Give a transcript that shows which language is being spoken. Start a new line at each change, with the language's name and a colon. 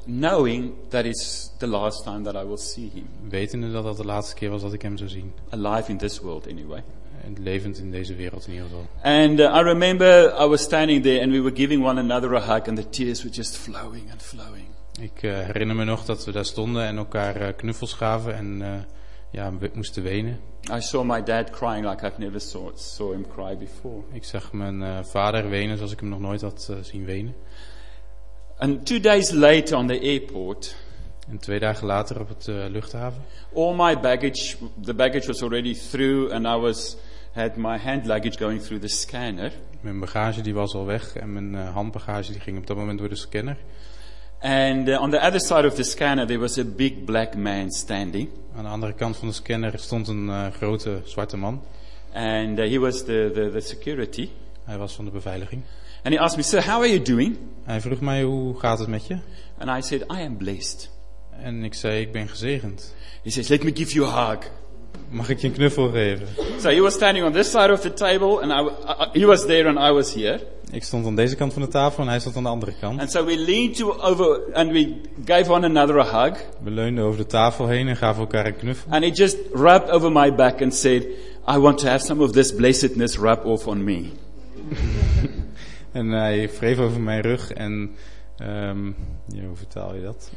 English: Knowing that is the last time that I will see him.
Dutch: Wetende dat dat de laatste keer was dat ik hem zou zien.
English: Alive in this world anyway.
Dutch: En levend in deze wereld in ieder geval.
English: And I remember I was standing there and we were giving one another a hug and the tears were just flowing and flowing.
Dutch: Ik herinner me nog dat we daar stonden en elkaar knuffels gaven en moesten wenen.
English: I saw my dad crying like I've never saw him cry before.
Dutch: Ik zag mijn vader wenen zoals ik hem nog nooit had zien wenen.
English: And 2 days later on the airport.
Dutch: En 2 dagen later op het luchthaven.
English: All my baggage, the baggage was already through and I was had my hand luggage going through the scanner.
Dutch: Mijn bagage die was al weg en mijn handbagage die ging op dat moment door de scanner.
English: And on the other side of the scanner there was a big black man standing.
Dutch: Aan de andere kant van de scanner stond een grote zwarte man.
English: And he was the security.
Dutch: Hij was van de beveiliging.
English: And he asked me, "Sir, how are you doing?"
Dutch: Hij vroeg mij, hoe gaat het met je?
English: And I said, "I am blessed."
Dutch: En ik zei, ik ben gezegend.
English: He says, "Let me give you a hug."
Dutch: Mag ik je een knuffel geven?
English: So he was standing on this side of the table and he was there and I was here.
Dutch: Ik stond aan deze kant van de tafel en hij stond aan de andere kant.
English: And so we leaned over and we gave one another a hug.
Dutch: We leunden over de tafel heen en gaven elkaar een knuffel.
English: And he just rubbed over my back and said, "I want to have some of this blessedness rub off on me."
Dutch: En hij wreef over mijn rug en hoe vertaal je dat?